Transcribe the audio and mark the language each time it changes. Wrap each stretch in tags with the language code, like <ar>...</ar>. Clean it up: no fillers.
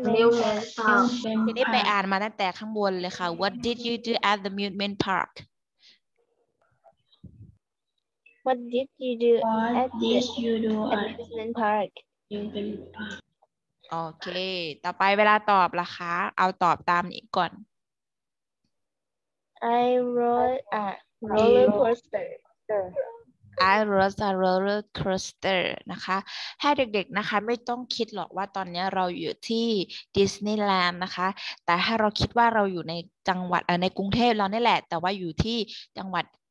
<th>ทีนี้ไปอ่านมาตั้งแต่ข้างบนเลยค่ะ</th> <en>What did you do at the amusement park? What did you do at the amusement park?</en> <th>โอเคต่อไปเวลาตอบล่ะคะเอาตอบตามนี้ก่อน</th> <en>I rode a roller coaster. I rode a roller coaster</en> <th>นะคะให้เด็กๆนะคะไม่ต้องคิดหรอกว่าตอนนี้เราอยู่ที่ดิสนีย์แลนด์นะคะแต่ให้เราคิดว่าเราอยู่ในจังหวัดในกรุงเทพเรานี่แหละแต่ว่าอยู่ที่จังหวัด</th>